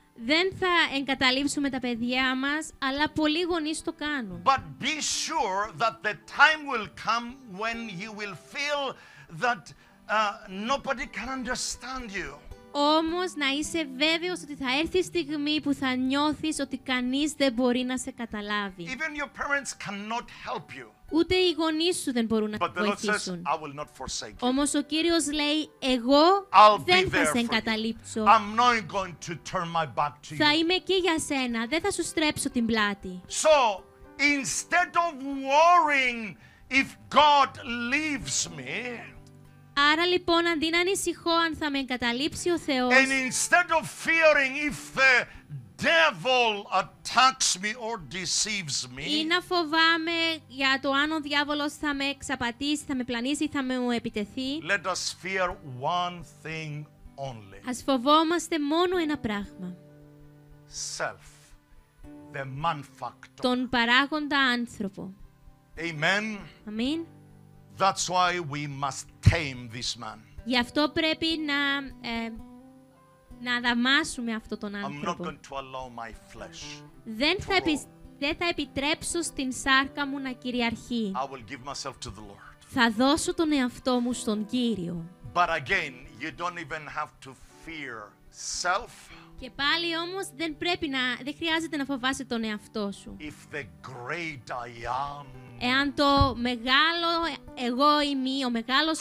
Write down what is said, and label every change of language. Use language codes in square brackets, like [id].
[el] Δεν θα εγκαταλείψουμε τα παιδιά μας, αλλά πολλοί γονείς το κάνουν. [en] But be sure that the time will come when you will feel that nobody can understand you. [el] Όμως να είσαι βέβαιος ότι θα έρθει η στιγμή που θα νιώθεις ότι κανείς δεν μπορεί να σε καταλάβει. [en] Even your parents cannot help you. [el] Ούτε οι γονείς σου δεν μπορούν να βοηθήσουν. [en] Says, I will not forsake you. [el] Όμως ο Κύριος λέει, εγώ δεν θα σε εγκαταλείψω. [en] I'm not going to turn my back to you. [el] Θα είμαι εκεί για σένα, δεν θα σου στρέψω την πλάτη. [en] So, instead of worrying if God leaves me, [el] άρα λοιπόν, αντί να ανησυχώ αν θα με εγκαταλείψει ο Θεός, [en] and instead of fearing if the devil attacks me or deceives me, [el] ή να φοβάμαι για το αν ο διάβολος θα με εξαπατήσει, θα με πλανήσει, θα με επιτεθεί, [en] let us fear one thing only. [el] Ας φοβόμαστε μόνο ένα πράγμα. [en] Self, the man factor. [el] Τον παράγοντα άνθρωπο. [en] Amen. [el] Αμήν. [en] That's why we must tame this man. [el] Γι' αυτό πρέπει να να δαμάσουμε αυτόν τον άνθρωπο. [en] I'm not going to allow my flesh. [el] Δεν θα επιτρέψω στην σάρκα μου να κυριαρχεί. [en] I will give myself to the Lord. [el] Θα δώσω τον εαυτό μου στον Κύριο. [en] But again, you don't even have to fear self. [el] Και πάλι όμως δεν χρειάζεται να φοβάσαι τον εαυτό σου. [en] If the great I am. [el] Εάν το μεγάλο εγώ είμαι, ο μεγάλος